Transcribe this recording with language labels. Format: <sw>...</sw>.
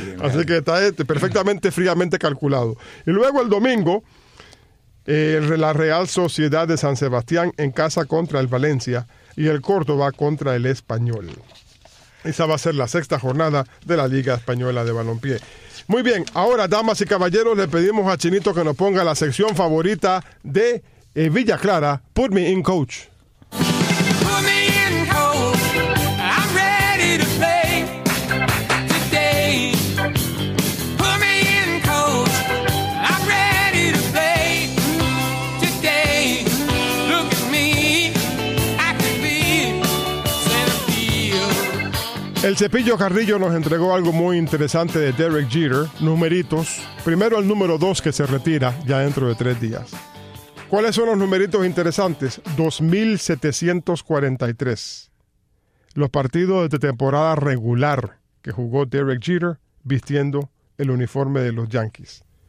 <es>Así que está perfectamente, fríamente calculado. Y luego el domingo, la Real Sociedad de San Sebastián en casa contra el Valencia y el Córdoba contra el Español. Esa va a ser la sexta jornada de la Liga Española de Balompié. Muy bien, ahora, damas y caballeros, le pedimos a Chinito que nos ponga la sección favorita de Villa Clara, Put Me In Coach.</es> <en>Put me in coach, I'm ready to play today. Put me in coach, I'm ready to play today. Look at me, I can be centerfield.</en> <es>El Cepillo Carrillo nos entregó algo muy interesante de Derek Jeter, numeritos. Primero el número 2 que se retira ya dentro de 3 días. ¿Cuáles son los numeritos interesantes? 2,743. Los partidos de temporada regular que jugó Derek Jeter vistiendo el uniforme de los Yankees.</es>